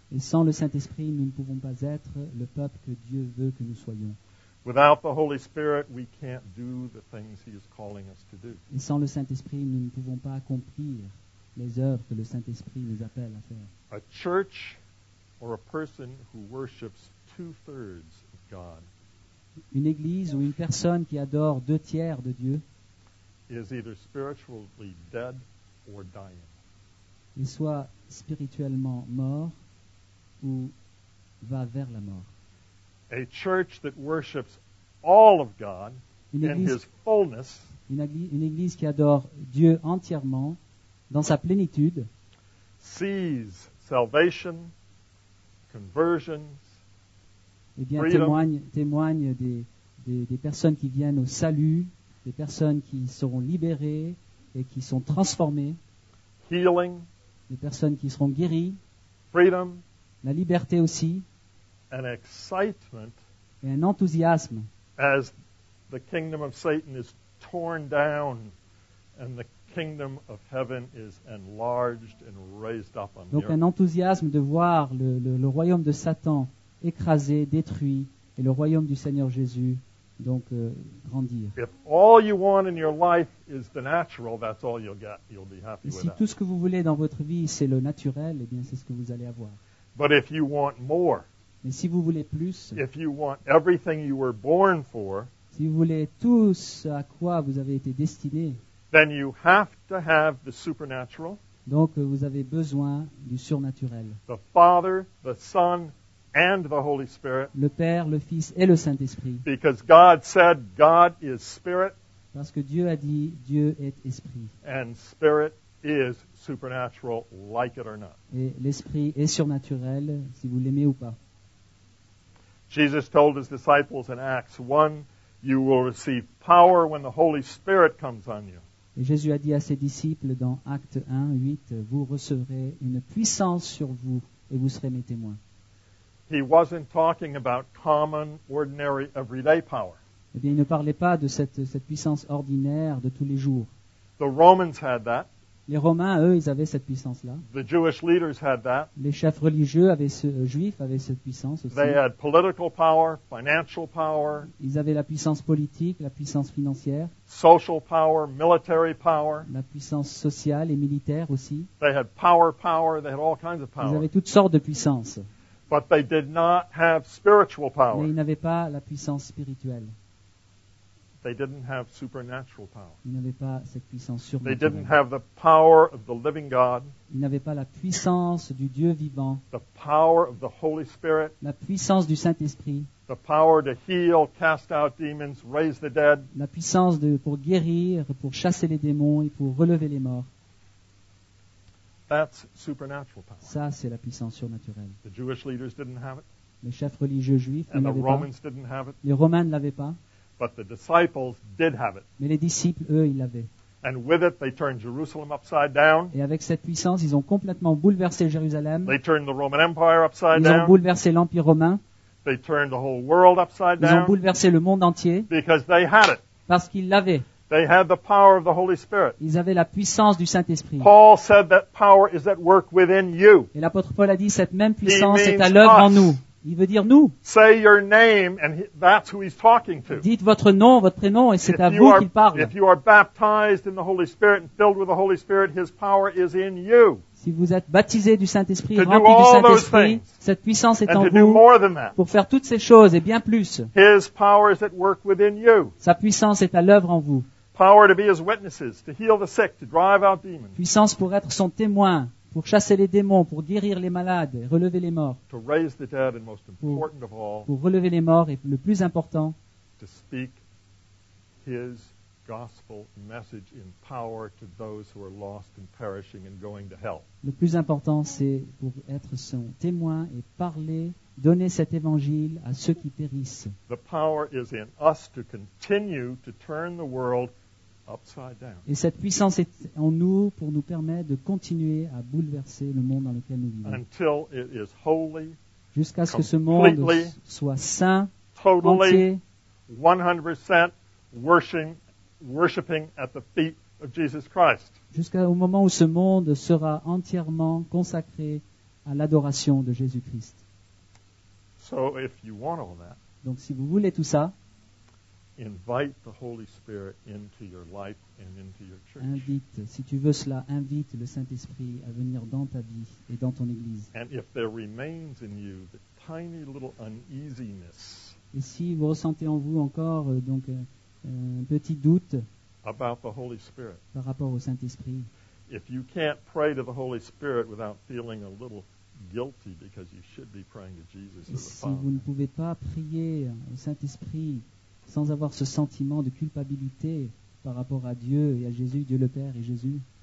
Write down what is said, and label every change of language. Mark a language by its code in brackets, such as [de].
[fr] Et sans le Saint-Esprit, nous ne pouvons pas être le peuple que Dieu veut que nous soyons. [en] Without the Holy Spirit, we can't do the things He is calling us to do. [fr] Et sans le Saint-Esprit, nous ne pouvons pas accomplir les œuvres que le Saint-Esprit nous appelle à faire. [en] A church or a person who worships two-thirds of God. [fr] Une église ou une personne qui adore deux tiers de Dieu [en] is either spiritually dead or dying. [fr] Il soit spirituellement mort ou va vers la mort. [en] A church that worships all of God [fr] une église, [en] in His fullness, [fr] une église qui adore Dieu entièrement dans sa plénitude, [en] sees salvation, conversions, [fr] eh bien, témoigne des personnes qui viennent au salut, des personnes qui seront libérées et qui sont transformées, [en] healing, [fr] des personnes qui seront guéries, [en] freedom, [fr] la liberté aussi, [en] an excitement, [fr] et un enthousiasme, [en] as the kingdom of Satan is torn down and the kingdom of heaven is enlarged and raised up on [fr] donc un enthousiasme de voir le royaume de Satan écrasé, détruit et le royaume du Seigneur Jésus donc grandir. [en] If all you want in your life is the natural, that's all you'll get. You'll be happy [fr] et [en] with [fr] si [en] that. [fr] Tout ce que vous voulez dans votre vie c'est le naturel, et bien c'est ce que vous allez avoir. [en] But if you want more, [fr] mais si vous voulez plus, [en] if you want everything you were born for, [fr] si vous voulez tout ce à quoi vous avez été destiné, [en] then you have to have the supernatural. [fr] Donc vous avez besoin du surnaturel. [en] The Father, the Son, and the Holy Spirit. [fr] Le Père, le Fils et le Saint-Esprit. [en] Because God said God is spirit. [fr] Parce que Dieu a dit Dieu est esprit. [en] And spirit is supernatural, like it or not. [fr] Et l'esprit est surnaturel, si vous l'aimez ou pas. [en] Jesus told his disciples in Acts 1, you will receive power when the Holy Spirit comes on you. [fr] Et Jésus a dit à ses disciples dans Acte 1, 8, vous recevrez une puissance sur vous et vous serez mes témoins. [en] He wasn't talking about common, ordinary, everyday power. [fr] Eh bien, il ne parlait pas de cette puissance ordinaire de tous les jours. [en] The Romans had that. [fr] Les Romains, eux, ils avaient cette puissance-là. [en] The Jewish leaders had that. [fr] Les chefs religieux avaient juifs avaient cette puissance aussi. [en] They had political power, financial power. [fr] Ils avaient la puissance politique, la puissance financière. [en] Social power, military power. [fr] La puissance sociale et militaire aussi. [en] They had power, they had all kinds of power. [fr] Ils avaient toutes sortes de puissances. [en] But they did not have spiritual power. [fr] Mais ils n'avaient pas la puissance spirituelle. [en] They didn't have supernatural power. [fr] Ils n'avaient pas cette puissance surnaturelle. [en] They didn't have the power of the living God. [fr] Ils n'avaient pas la puissance du Dieu vivant. [en] The power of the Holy Spirit. [fr] La puissance du Saint-Esprit. [en] The power to heal, cast out demons, raise the dead. [fr] La puissance pour guérir, pour chasser les démons et pour relever les morts. [en] That's supernatural power. [fr] Ça, c'est la puissance surnaturelle. [en] The Jewish leaders didn't have it. [fr] Les chefs religieux juifs [en] and [fr] ne l'avaient pas. [en] And the Romans didn't have it. [fr] Les Romains ne l'avaient pas. [en] But the disciples did have it. [fr] Mais les disciples, eux, ils l'avaient. [en] And with it, they turned Jerusalem upside down. [fr] Et avec cette puissance, ils ont complètement bouleversé Jérusalem. [en] They turned the Roman Empire upside down. [fr] Ils ont bouleversé l'Empire romain. [en] They turned the whole world upside down. [fr] Ils ont bouleversé le monde entier. [en] Because they had it. [fr] Parce qu'ils l'avaient. [en] They had the power of the Holy Spirit. [fr] Ils avaient la puissance du Saint-Esprit. [en] Paul said that power is at work within you. [fr] Et l'apôtre Paul a dit cette même puissance est à l'œuvre en nous. Il veut dire nous. [en] Say your name and that's who he's talking to. [fr] Dites votre nom, votre prénom et c'est à vous qu'il parle. [en] If you are baptized in the Holy Spirit and filled with the Holy Spirit, his power is in you. [fr] Si vous êtes baptisé du Saint-Esprit, rempli du Saint-Esprit, cette puissance est en vous pour faire toutes ces choses et bien plus. [en] His power is at work within you. [fr] Sa puissance est à l'œuvre en vous. [en] Power to be his witnesses, to heal the sick, to drive out demons. [fr] Puissance pour être son témoin. Pour chasser les démons, pour guérir les malades, relever les morts. [en] To raise the dead and most important of all, [fr] pour relever les morts et le plus important, [en] to speak his gospel message in power to those who are lost and perishing and going to hell. [fr] Le plus important, c'est pour être son témoin et parler, donner cet évangile à ceux qui périssent. [en] The power is in us to continue to turn the world. [fr] Et cette puissance est en nous pour nous permettre de continuer à bouleverser le monde dans lequel nous vivons. [en] Until it is holy, [fr] jusqu'à ce que ce monde soit saint, [en] totally, [fr] entier, [en] 100% worshiping at the feet of Jesus Christ. [fr] Jusqu'au moment où ce monde sera entièrement consacré à l'adoration de Jésus-Christ. [en] So if you want all that, [fr] donc si vous voulez tout ça, [en] invite the Holy Spirit into your life and into your church. [fr] Invite, si tu veux cela, invite le Saint-Esprit à venir dans ta vie et dans ton église. [en] And if there remains in you the tiny little uneasiness. [fr] Et si vous ressentez en vous encore donc un petit doute [en] about the Holy Spirit. [fr] Par rapport au Saint-Esprit. [en] If you can't pray to the Holy Spirit without feeling a little guilty because you should be praying to Jesus or the Father. [fr] Si vous ne pouvez pas prier au Saint-Esprit sans avoir ce sentiment de culpabilité par rapport à Dieu et à Jésus, Dieu le Père et Jésus.